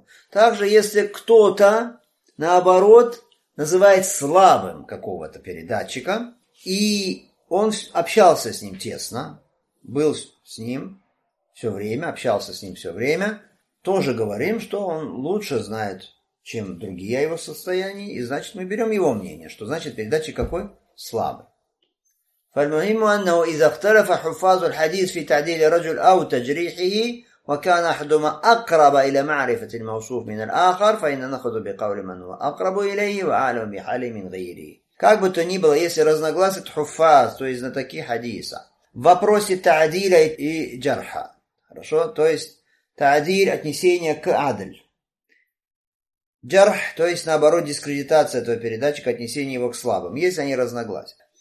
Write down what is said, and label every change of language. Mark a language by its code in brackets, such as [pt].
[ru] Также, если кто-то, наоборот, называет слабым какого-то передатчика, и он общался с ним тесно, был с ним все время, общался с ним все время, тоже говорим, что он лучше знает, чем другие о его состоянии, и значит, мы берем его мнение, что значит передатчик какой? Слабый. [ar] فالمهم أنه إذا اختلف حفاظ الحديث في تعديل رجل أو تجريحه وكان أحدهما أقرب إلى معرفة الموصوف من الآخر فإن نأخذ بقول من هو أقرب إليه وعالم بحاله من غيره. [ru] Как бы то ни было, если разногласит хуфаз, то есть на такие хадиса, в вопросе таадиля и джарха, хорошо, то есть таадиль отнесение к адль, джарх, то есть наоборот дискредитация этого передатчика, отнесение его к слабым, если они разногласят.